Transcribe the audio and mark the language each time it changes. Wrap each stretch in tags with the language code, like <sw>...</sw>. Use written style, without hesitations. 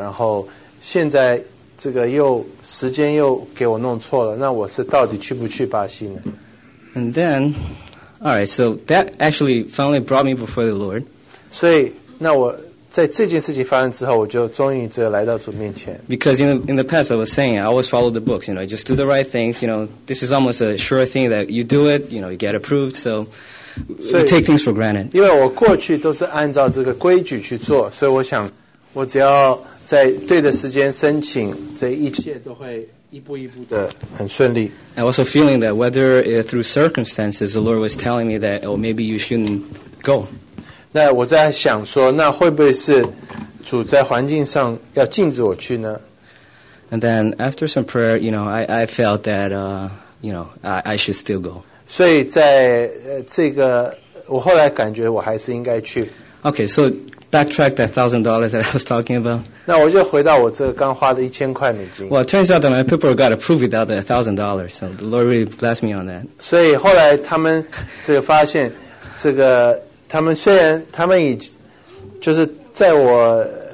<zh>所以后来这个又发现，因为前个几个礼拜我已经蛮沮丧，因为他们又拖那么久，然后现在 这个又时间又给我弄错了，那我是到底去不去巴西呢？</zh> <en>And then, all right, so that actually finally brought me before the Lord.</en> <zh>所以那我在这件事情发生之后，我就终于这来到主面前。</zh> <en>Because in the past, I was saying I always follow the books. Just do the right things. This is almost a sure thing that you do it. You get approved. So we take things for granted.</en> <zh>因为我过去都是按照这个规矩去做，所以我想，我只要 在对的时间申请，这一切都会一步一步的很顺利。</zh> <en>I was feeling that whether through circumstances, the Lord was telling me that, oh, maybe you shouldn't go.</en> <zh>那我在想说，那会不会是主在环境上要禁止我去呢？</zh> <en>And then after some prayer, you know, I felt that, you know, I should still go.</en> <zh>所以在这个，我后来感觉我还是应该去。</zh> <en>Okay, so backtrack that $1,000 that I was talking about.</en> <zh>那我就回到我这个刚花的1000块美金。</zh> <en>Well, it turns out that my people got approved without that $1,000, so the Lord really blessed me on that.</en> <zh>所以后来他们这个发现，这个他们虽然他们已就是在我。</zh>